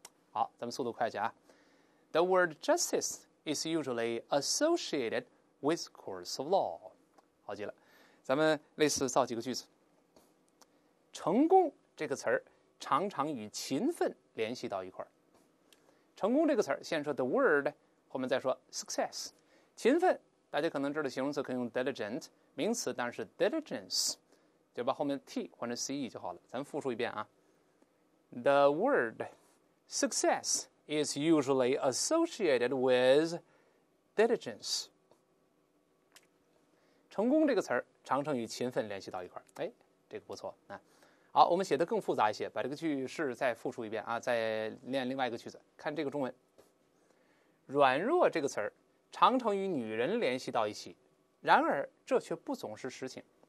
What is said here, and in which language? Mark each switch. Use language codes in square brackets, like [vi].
[zh] 好，咱们速度快一下啊 [en] ，the word justice is usually associated with courts of law。 [zh] 好极了，咱们类似造几个句子。成功这个词儿常常与勤奋联系到一块儿。成功这个词儿，先说 the word, 后面再说 success。勤奋，大家可能知道形容词可以用 diligent, 名词当然是 diligence, 就把后面 t 换成 ce 就好了。咱们复述一遍啊 [en] ，the word success is usually associated with diligence。 [zh] 成功这个词儿常常与勤奋联系到一块儿，哎，这个不错啊。好，我们写的更复杂一些，把这个句式再复述一遍啊，再练另外一个句子，看这个中文。软弱这个词儿常常与女人联系到一起，然而这却不总是实情。